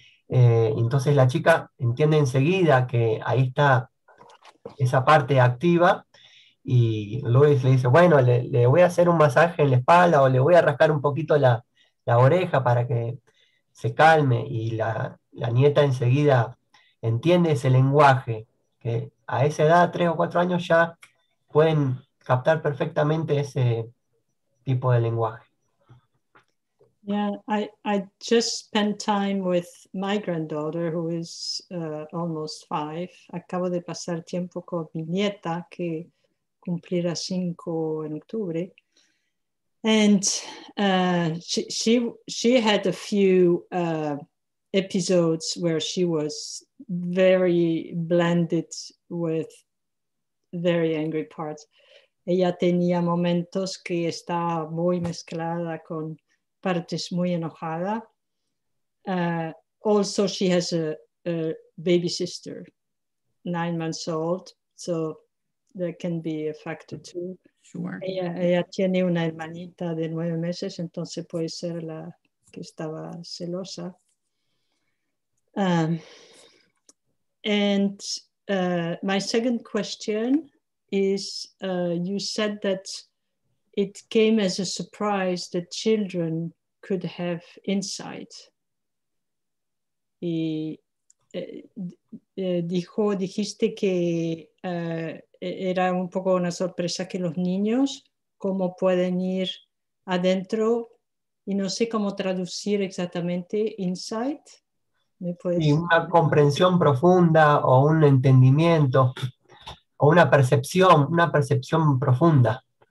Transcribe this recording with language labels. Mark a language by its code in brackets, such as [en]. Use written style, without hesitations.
[es] Entonces la chica entiende enseguida que ahí está esa parte activa y Luis le dice, bueno, le voy a hacer un masaje en la espalda o le voy a rascar un poquito la oreja para que se calme, y la nieta enseguida entiende ese lenguaje que a esa edad, 3 o 4 años, ya pueden captar perfectamente ese tipo de lenguaje. [en] Yeah, I just spent time with my granddaughter, who is almost 5. [es] Acabo de pasar tiempo con mi nieta, que cumplirá 5 en octubre. [en] And she had a few episodes where she was very blended with very angry parts. [es] Ella tenía momentos que estaba muy mezclada con partes muy enojada. [en] Also, she has a baby sister, 9 months old, so that can be a factor too. Sure. [es] Ella tiene una hermanita de 9 meses, entonces puede ser la que estaba celosa. [en] My second question is, you said that it came as a surprise that children could have insight. Y [es] dijiste que era un poco una sorpresa que los niños cómo pueden ir adentro, y no sé cómo traducir exactamente insight. ¿Me puedes... Y una comprensión profunda o un entendimiento o una percepción profunda.